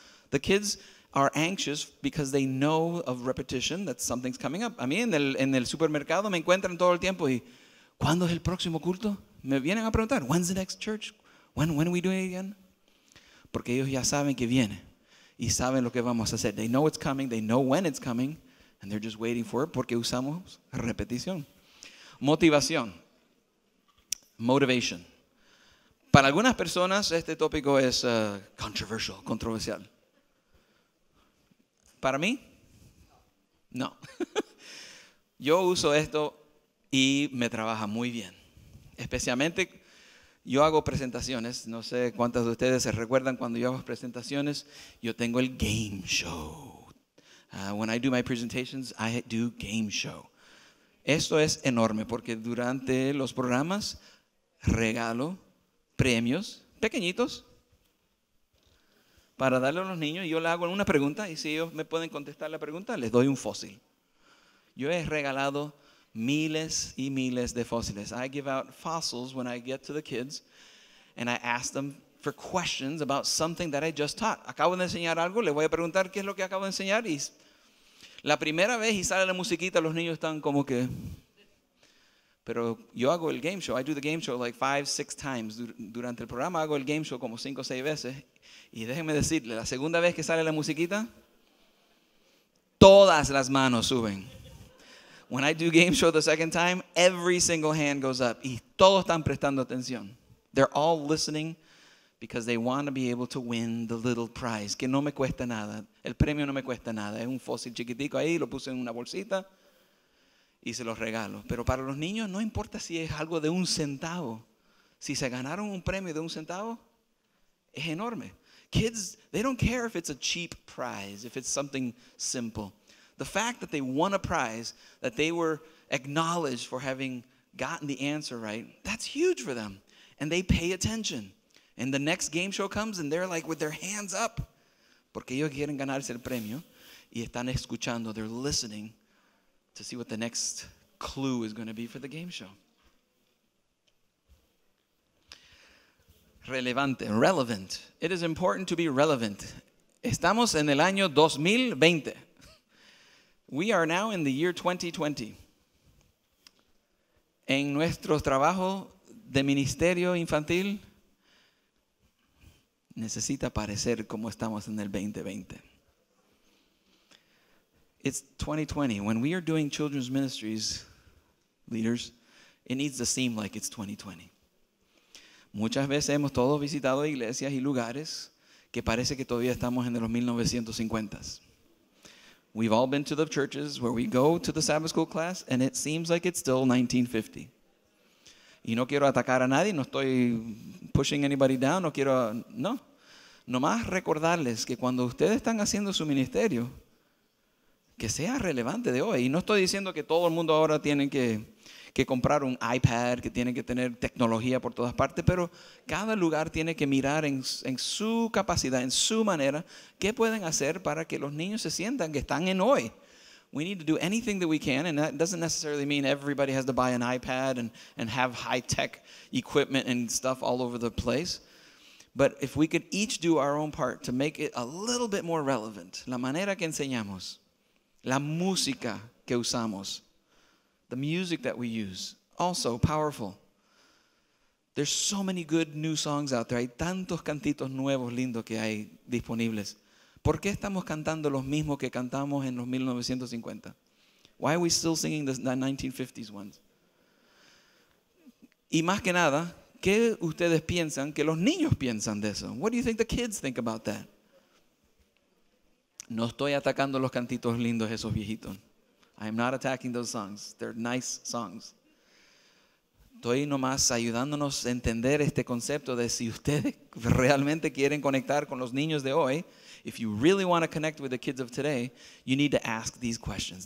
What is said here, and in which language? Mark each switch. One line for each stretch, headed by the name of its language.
English: The kids are anxious because they know of repetition, that something's coming up.
Spanish: A mí en el supermercado me encuentran todo el tiempo y, ¿cuándo es el próximo culto? Me vienen a preguntar,
English: when's the next church? When are we doing it again?
Spanish: Porque ellos ya saben que viene y saben lo que vamos a hacer.
English: They know it's coming, they know when it's coming, and they're just waiting for it
Spanish: porque usamos repetición. Motivación.
English: Motivation.
Spanish: Para algunas personas este tópico es controversial. Para mí, no. Yo uso esto y me trabaja muy bien. Especialmente yo hago presentaciones, no sé cuántas de ustedes se recuerdan cuando yo hago presentaciones, yo tengo el game show.
English: When I do my presentations, I do game show.
Spanish: Esto es enorme porque durante los programas regalo premios pequeñitos para darle a los niños. Yo le hago una pregunta y si ellos me pueden contestar la pregunta, les doy un fósil. Yo he regalado miles y miles de fósiles.
English: I give out fossils when I get to the kids and I ask them for questions about something that I just taught.
Spanish: Acabo de enseñar algo, le voy a preguntar qué es lo que acabo de enseñar. Y la primera vez y sale la musiquita, los niños están como que... Pero yo hago el game show.
English: I do the game show like 5-6 times.
Spanish: Durante el programa hago el game show como 5-6 veces. Y déjenme decirle, la segunda vez que sale la musiquita, todas las manos suben.
English: When I do game show the second time, every single hand goes up.
Spanish: Y todos están prestando atención.
English: They're all listening because they want to be able to win the little prize.
Spanish: Que no me cuesta nada. El premio no me cuesta nada. Es un fósil chiquitico ahí, lo puse en una bolsita y se los regalo. Pero para los niños no importa si es algo de un centavo. Si se ganaron un premio de un centavo, es enorme.
English: Kids, they don't care if it's a cheap prize, if it's something simple. The fact that they won a prize, that they were acknowledged for having gotten the answer right, that's huge for them. And they pay attention. And the next game show comes and they're like with their hands up.
Spanish: Porque ellos quieren ganarse el premio. Y están escuchando,
English: they're listening to see what the next clue is going to be for the game show.
Spanish: Relevante,
English: relevant. It is important to be relevant.
Spanish: Estamos en el año 2020.
English: We are now in the year 2020.
Spanish: En nuestro trabajo de ministerio infantil, necesita parecer como estamos en el 2020.
English: It's 2020. When we are doing children's ministries, leaders, it needs to seem like it's 2020.
Spanish: Muchas veces hemos todos visitado iglesias y lugares que parece que todavía estamos en los 1950s.
English: We've all been to the churches where we go to the Sabbath school class and it seems like it's still 1950.
Spanish: Y no quiero atacar a nadie, no estoy
English: pushing anybody down,
Spanish: no quiero, no. Nomás recordarles que cuando ustedes están haciendo su ministerio, que sea relevante de hoy. Y no estoy diciendo que todo el mundo ahora tiene que comprar un iPad, que tiene que tener tecnología por todas partes, pero cada lugar tiene que mirar en su capacidad, en su manera, qué pueden hacer para que los niños se sientan que están en hoy.
English: We need to do anything that we can, and that doesn't necessarily mean everybody has to buy an iPad and have high-tech equipment and stuff all over the place. But if we could each do our own part to make it a little bit more relevant,
Spanish: la manera que enseñamos, la música que usamos,
English: the music that we use, also powerful. There's so many good new songs out there.
Spanish: Hay tantos cantitos nuevos lindos que hay disponibles. ¿Por qué estamos cantando los mismos que cantamos en los 1950?
English: Why are we still singing the 1950s ones?
Spanish: Y más que nada, ¿qué ustedes piensan que los niños piensan de eso?
English: What do you think the kids think about that?
Spanish: No estoy atacando los cantitos lindos esos viejitos.
English: I am not attacking those songs. They're nice songs.
Spanish: Estoy nomás ayudándonos a entender este concepto de si ustedes realmente quieren conectar con los niños de hoy.
English: If you really want to connect with the kids of today, you need to ask these questions.